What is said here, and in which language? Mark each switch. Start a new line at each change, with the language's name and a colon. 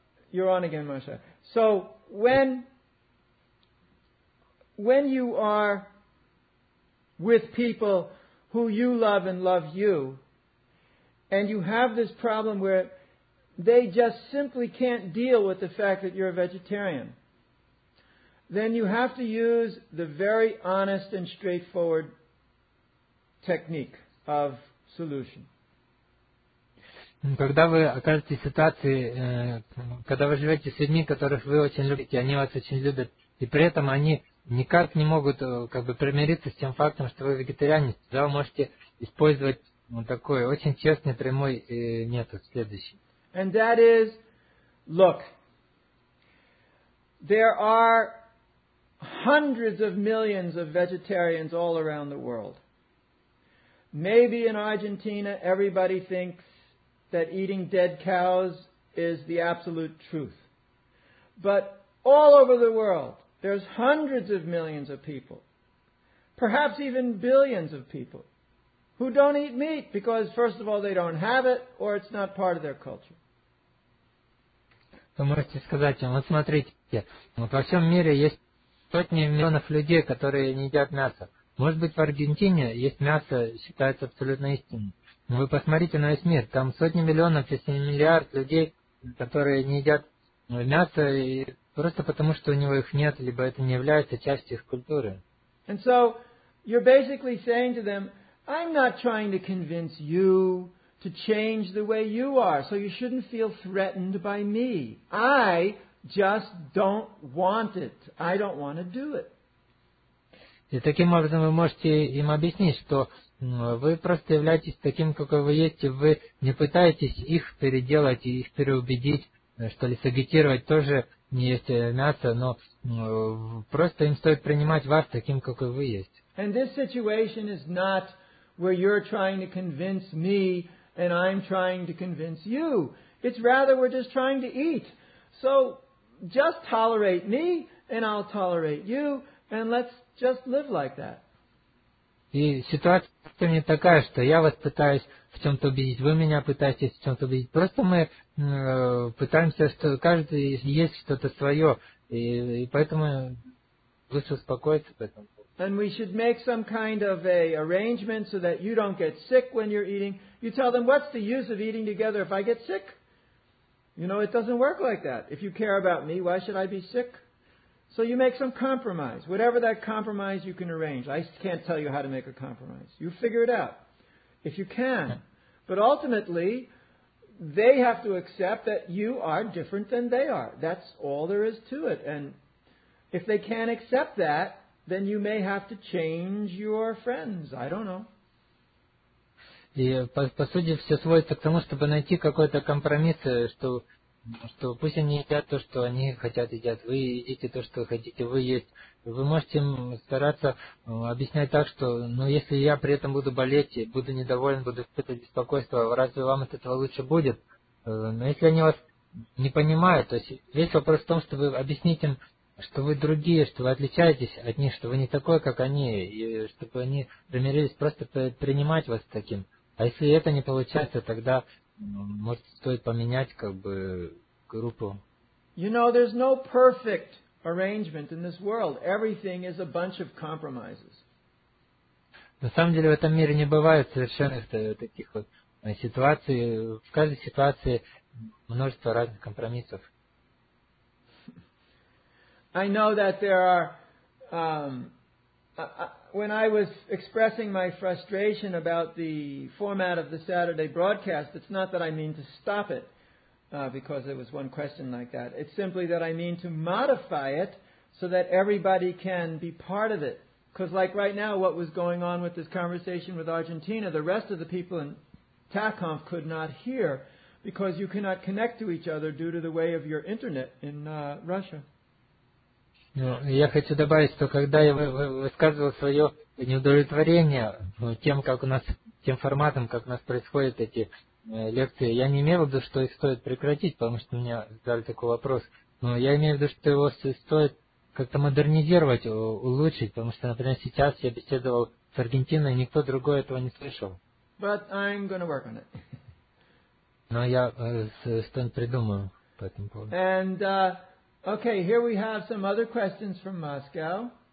English: You're on again, Marsha. So when you are with people who you love and love you, and you have this problem where they just simply can't deal with the fact that you're a vegetarian, then you have to use the very honest and straightforward technique of solution.
Russian: Когда вы оказываетесь в ситуации, когда вы живете с людьми, которых вы очень любите, они вас очень любят, и при этом они никак не могут как бы примириться с тем фактом, что вы вегетарианец, тогда вы можете использовать вот такой очень честный, прямой метод следующий.
English: And that is, look, there are hundreds of millions of vegetarians all around the world. Maybe in Argentina, everybody thinks that eating dead cows is the absolute truth. But all over the world, there's hundreds of millions of people, perhaps even billions of people, who don't eat meat because, first of all, they don't have it or it's not part of their culture.
Russian: Вы можете сказать им, вот смотрите, во всем мире есть сотни миллионов людей, которые не едят мясо. Может быть, в Аргентине есть мясо, считается абсолютно истинным. Но вы посмотрите на весь мир, там сотни миллионов, если не миллиард людей, которые не едят мясо, и просто потому, что у него их нет, либо это не является частью их культуры.
English: And so, you're basically saying to them, I'm not trying to convince you to change the way you are, so you shouldn't feel threatened by me. I just don't want it. I don't want to do it.
Russian: И таким образом вы можете им объяснить, что вы просто являетесь таким, какой вы есть, и вы не пытаетесь их переделать и их переубедить, что ли, сагитировать тоже не есть мясо, но просто им стоит принимать вас таким, какой вы есть.
English: And this situation is not where you're trying to convince me and I'm trying to convince you. It's rather we're just trying to eat. So just tolerate me, and I'll tolerate you, and let's just live like that.
Russian: И ситуация не такая, что я вас пытаюсь в чем-то убедить, вы меня пытаетесь в чем-то убедить. Просто мы пытаемся, что каждый есть что-то свое, и поэтому лучше успокоиться в этом.
English: And we should make some kind of a arrangement so that you don't get sick when you're eating. You tell them, what's the use of eating together if I get sick? You know, it doesn't work like that. If you care about me, why should I be sick? So you make some compromise. Whatever that compromise you can arrange. I can't tell you how to make a compromise. You figure it out, if you can. But ultimately, they have to accept that you are different than they are. That's all there is to it. And if they can't accept that, then you may have to change your friends. I don't know.
Russian: И, по сути, все сводится к тому, чтобы найти какой-то компромисс, что пусть они едят то, что они хотят едят, вы едите то, что хотите, вы есть. Вы можете стараться объяснять так, что, ну, если я при этом буду болеть, буду недоволен, буду испытывать беспокойство, разве вам от этого лучше будет? Но если они вас не понимают, то есть весь вопрос в том, чтобы объяснить им, что вы другие, что вы отличаетесь от них, что вы не такой, как они, и чтобы они примирились просто принимать вас таким. А если это не получается, тогда, может, стоит поменять, как бы, группу.
English: You know, there's no perfect arrangement in this world. Everything is a bunch of compromises.
Russian: На самом деле, в этом мире не бывает совершенных таких вот ситуаций. В каждой ситуации множество разных компромиссов.
English: I know that there are, when I was expressing my frustration about the format of the Saturday broadcast, it's not that I mean to stop it because there was one question like that. It's simply that I mean to modify it so that everybody can be part of it. Because like right now, what was going on with this conversation with Argentina, the rest of the people in TACOMF could not hear because you cannot connect to each other due to the way of your internet in Russia.
Russian: Ну, я хочу добавить, что когда я высказывал свое неудовлетворение тем, как у нас, тем форматом, как у нас происходят эти лекции, я не имел в виду, что их стоит прекратить, потому что мне задали такой вопрос. Но я имею в виду, что его стоит как-то модернизировать, улучшить, потому что, например, сейчас я беседовал с Аргентиной, и никто другой этого не слышал.
English: But I'm gonna work on it.
Russian: Но я что-нибудь придумаю по этому поводу.
English: And, okay, here we have some other questions from Moscow.